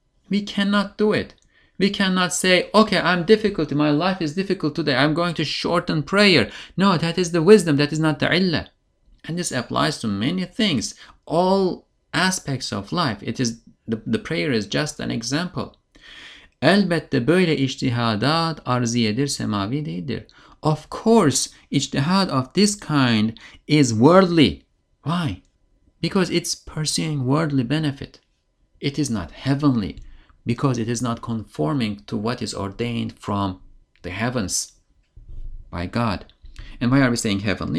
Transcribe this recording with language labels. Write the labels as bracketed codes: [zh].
[en] We cannot do it. We cannot say, okay, I'm difficult, my life is difficult today, I'm going to shorten prayer. No, that is the wisdom, that is not the illah. And this applies to many things, all aspects of life. It is the prayer is just an example. [tr] Elbette böyle içtihadat arziyedir, semavi değildir. [en] Of course, içtihad of this kind is worldly. Why? Because it's pursuing worldly benefit. It is not heavenly. Because it is not conforming to what is ordained from the heavens by God. And why are we saying heavenly?